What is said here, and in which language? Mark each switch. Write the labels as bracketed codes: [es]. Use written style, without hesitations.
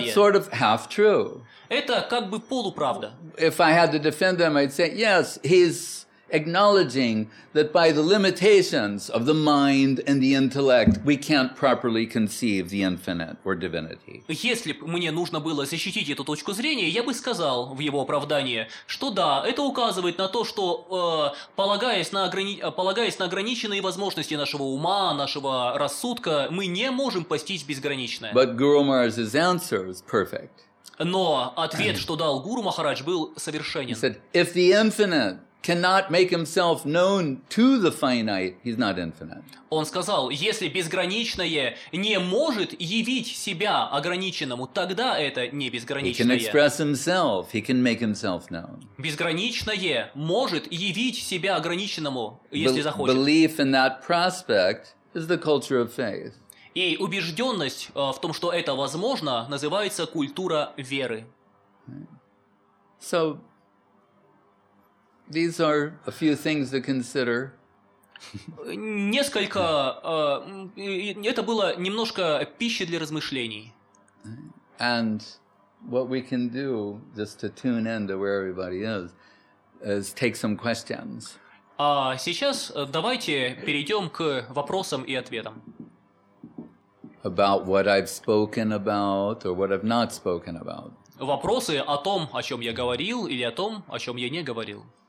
[en] That's sort of half true. [ru] Это как бы полуправда. [en] If I had to defend him, I'd say, yes, he's acknowledging that by the limitations of the mind and the intellect, we can't properly conceive the infinite or divinity. [ru] Если бы мне нужно было защитить эту точку зрения, я бы сказал в его оправдание, что да, это указывает на то, что полагаясь на ограниченные возможности нашего ума, нашего рассудка, мы не можем постичь безграничное. [en] But Guru Maharaj's answer is perfect. [ru] Но ответ, что дал Гуру Махарадж, был совершенен. [en] He said, if the infinite cannot make himself known to the finite, he's not infinite. [ru] Он сказал, если безграничное не может явить себя ограниченному, тогда это не безграничное. [en] He can express himself, he can make himself known. [ru] Безграничное может явить себя ограниченному, если захочет. [en] Belief in that prospect is the culture of faith. [ru] И убежденность в том, что это возможно, называется культура веры. [en] So, these are a few things to consider. [ru] Несколько, это было немножко пищи для размышлений. [en] And what we can do, just to tune in to where everybody is take some questions. [ru] А сейчас давайте перейдем к вопросам и ответам. [en] About what I've spoken about or what I've not spoken about. [ru] Вопросы о том, о чем я говорил, или о том, о чем я не говорил.